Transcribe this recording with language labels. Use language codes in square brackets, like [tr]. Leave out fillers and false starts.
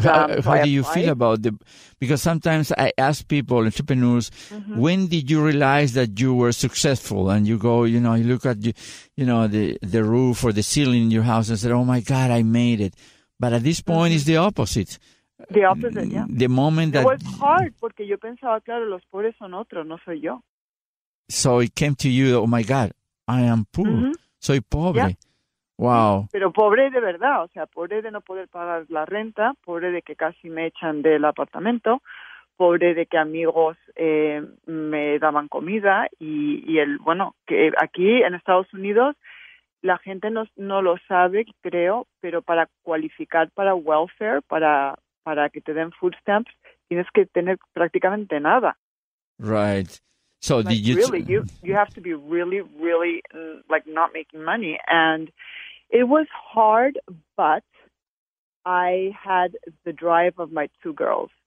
[en] how do you feel about the, because sometimes I ask people, entrepreneurs, when did you realize that you were successful? And you go, you know, you look at, you know, the roof or the ceiling in your house and say, oh my God, I made it. But at this point, it's the opposite. The opposite, yeah. The moment that. It was hard, [es] porque yo pensaba, claro, los pobres son otros, no soy yo. [en] So it came to you, oh my God, I am poor. [es] Soy pobre. [en] Yeah. Wow. [es] Pero pobre de verdad, o sea, pobre de no poder pagar la renta, pobre de que casi me echan del apartamento, pobre de que amigos me daban comida y el, bueno, que aquí en Estados Unidos la gente no lo sabe, creo, pero para cualificar para welfare, para que te den food stamps, tienes que tener prácticamente nada. [en] Right. So like, did you you have to be really, really like not making money. And it was hard, but I had the drive of my two girls.